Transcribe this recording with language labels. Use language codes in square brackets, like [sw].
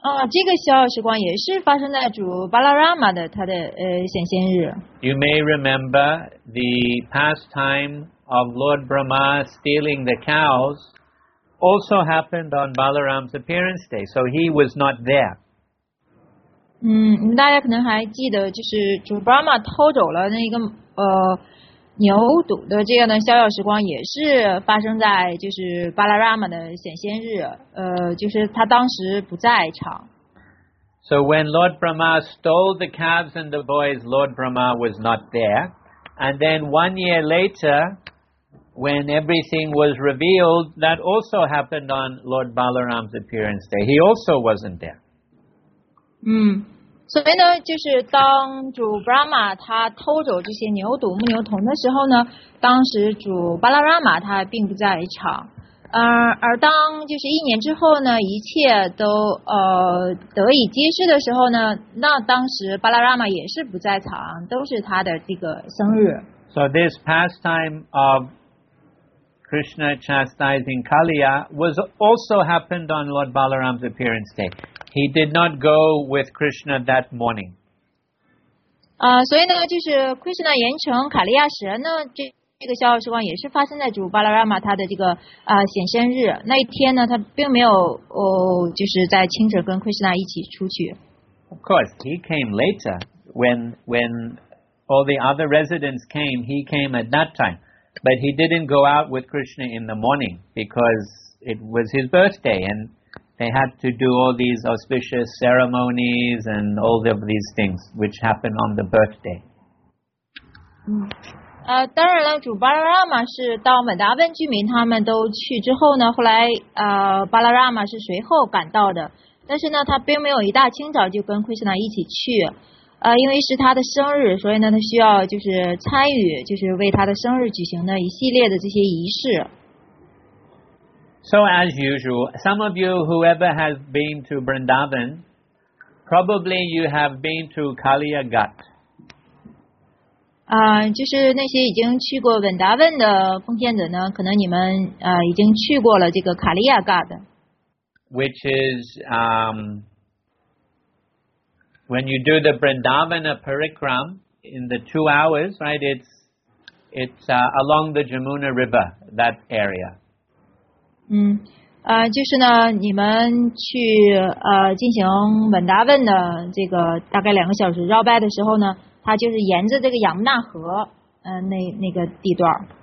[zh] 这个小时光也是发生在主巴拉拉玛的他的显现日。 [en] You may remember the pastime of Lord Brahma stealing the cows also happened on Balaram's appearance day, so he was not there. [zh] 大家可能还记得，就是主巴拉玛偷走了那个牛犊的这样的逍遥时光，也是发生在就是巴拉拉玛的显现日，就是他当时不在场。 [en] So when Lord Brahma stole the calves and the boys, Lord Brahma was not there. And then 1 year later, when everything was revealed, that also happened on Lord Balaram's appearance day. He also wasn't there. [zh] 所以呢，就是当主 Brahma 他偷走这些牛犊牧牛童的时候呢，当时主 Balarama 他并不在场。而当就是一年之后呢，一切都得以揭示的时候呢，那当时 Balarama 也是不在场，都是他的这个生日。 [en] So this pastime of Krishna chastising Kaliya was also happened on Lord Balaram's appearance day. He did not go with Krishna that morning. [zh] 所以呢，就是 Krishna 严惩卡利亚时呢，这这个骄傲时光也是发生在主巴拉拉玛他的这个显身日那一天呢，他并没有就是在清晨跟昆士那一起出去。 [en] Of course, he came later when all the other residents came. He came at that time, but he didn't go out with Krishna in the morning because it was his birthday and they had to do all these auspicious ceremonies and all of these things which happen on the birthday. [zh] 当然了，主巴拉拉玛是到满达温居民他们都去之后呢，后来巴拉拉玛是随后赶到的。但是呢，他并没有一大清早就跟奎斯纳一起去，因为是他的生日，所以呢，他需要就是参与，就是为他的生日举行的一系列的这些仪式。 [en] So as usual, some of you whoever has been to Vrindavan, probably you have been to Kaliya Ghat. [zh] 就是那些已经去过 Vrindavan 的奉献者呢，可能你们已经去过了这个 Kaliya Ghat。 [en] Which is when you do the Vrindavana Parikram in the 2 hours, right? It's along the Jamuna River, that area. [zh] 就是呢，你们去进行 Vrindavan 的这个大概两个小时绕拜的时候呢，它就是沿着这个杨那河，那个地段。